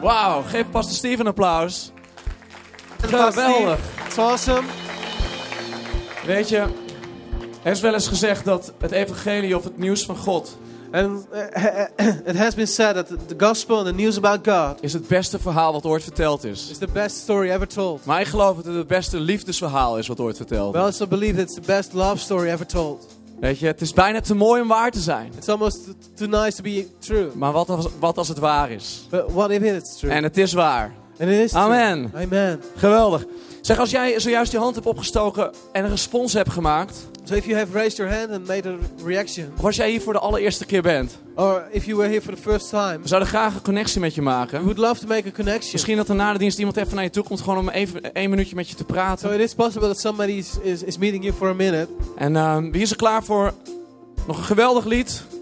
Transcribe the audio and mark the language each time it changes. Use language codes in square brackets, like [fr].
[nl] Wauw, geef Pastor Steve een applaus. Geweldig. [en] It's awesome. [nl] Weet je, er is wel eens gezegd dat het evangelie of het nieuws van God... [en] And it has been said that the gospel and the news about God [nl] is het beste verhaal wat ooit verteld is. [en] It's the best story ever told. [nl] Maar ik geloof dat het het beste liefdesverhaal is wat ooit verteld. [en] Well, I also believe it's the best love story ever told. [nl] Weet je, het is bijna te mooi om waar te zijn. [en] It's almost too nice to be true. [nl] Maar wat als het waar is? [en] But what if it's true? [nl] En het is waar. [en] And it is true. Amen. Amen. [nl] Geweldig. Zeg, als jij zojuist je hand hebt opgestoken en een respons hebt gemaakt. [en] So if you have raised your hand and made a reaction. [nl] Of als jij hier voor de allereerste keer bent. [en] Or if you were here for the first time. [nl] We zouden graag een connectie met je maken. [en] We would love to make a connection. [nl] Misschien dat er na de dienst iemand even naar je toe komt, gewoon om even één minuutje met je te praten. [en] So it is possible that somebody is meeting you for a minute. [nl] En wie is er klaar voor nog een geweldig lied?